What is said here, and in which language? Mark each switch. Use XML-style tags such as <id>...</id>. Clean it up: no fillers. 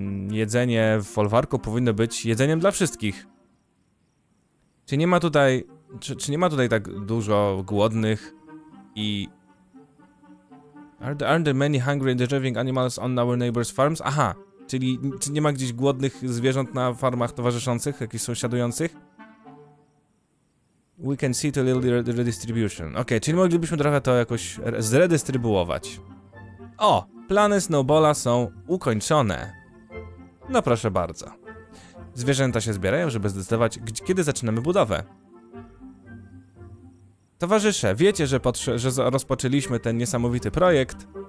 <pl>Jedzenie w folwarku powinno być jedzeniem dla wszystkich. Czy nie ma tutaj... Czy nie ma tutaj tak dużo głodnych i...</pl> <en>Are there many hungry and starving animals on our neighbor's farms? Aha.</en> <pl>Czy nie ma gdzieś głodnych zwierząt na farmach towarzyszących, jakichś sąsiadujących?</pl> <en>We can see to a little redistribution.</en> <pl>Okej, czyli moglibyśmy trochę to jakoś zredystrybuować. O! Plany Snowballa są ukończone. No proszę bardzo. Zwierzęta się zbierają, żeby zdecydować, kiedy zaczynamy budowę. Towarzysze, wiecie, że rozpoczęliśmy ten niesamowity projekt.</pl>